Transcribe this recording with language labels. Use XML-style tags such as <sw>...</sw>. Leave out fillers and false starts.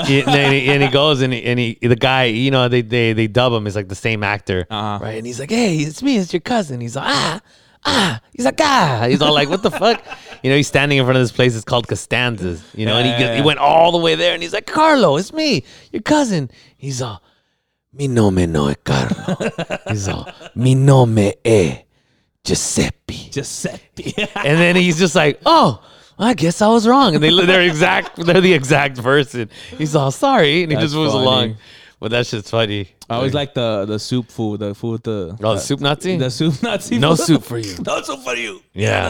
<en>and he goes and he the guy, you know, they dub him. It's like the same actor, right? And he's like, hey, it's me, it's your cousin. He's like, he's like, he's all like, what the fuck? You know, he's standing in front of this place. It's called Costanza's, you know, he went all the way there and he's like, Carlo, it's me, your cousin. He's all,</en> <it>mi nome no è Carlo. He's all, mi nome è Giuseppe.</it> <en>Giuseppe. And then he's just like, oh, I guess I was wrong. And they're the exact person. He's all, sorry. And that's he just moves funny. Along. But that shit's funny. I always like the soup fool, the fool with the... Oh, the soup Nazi? The soup Nazi. No soup for you. No soup for you. Yeah.</en>